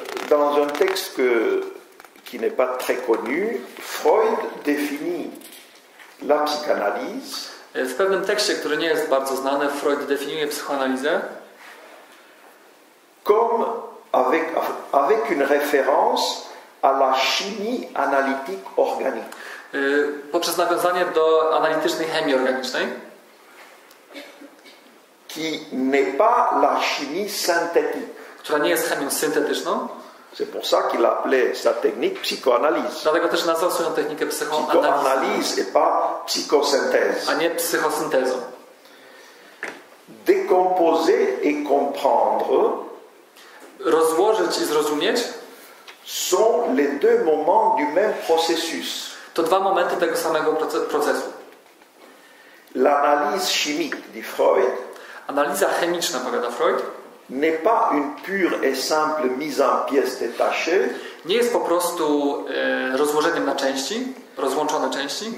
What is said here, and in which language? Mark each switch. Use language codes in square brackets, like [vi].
[fr] Dans un texte que qui n'est pas très connu, Freud définit la psychanalyse. [pl] W pewnym tekście, który nie jest bardzo znany, Freud definiuje psychoanalizę [fr] comme avec une référence à la chimie analytique organique. [pl] Poprzez nawiązanie do analitycznej chemii organicznej, [fr] qui n'est pas la chimie synthétique. [pl] Która nie jest chemią syntetyczną. [fr] C'est pour ça qu'il appelait sa technique psychoanalyse. [pl] Dlatego też nazwał swoją technikę psychoanalizą. [fr] Psychoanalyse et pas psychosynthèse. [pl] A nie psychosyntezą. [fr] Décomposer et comprendre. [pl] Rozłożyć i zrozumieć. [fr] Sont les deux moments du même processus. [pl] To dwa momenty tego samego procesu. [fr] L'analyse chimique de Freud. [pl] Analiza chemiczna, powiada Freud, [fr] n'est pas une pure et simple mise en pièces détachée, [pl] nie jest po prostu rozłożeniem na części, rozłączone części,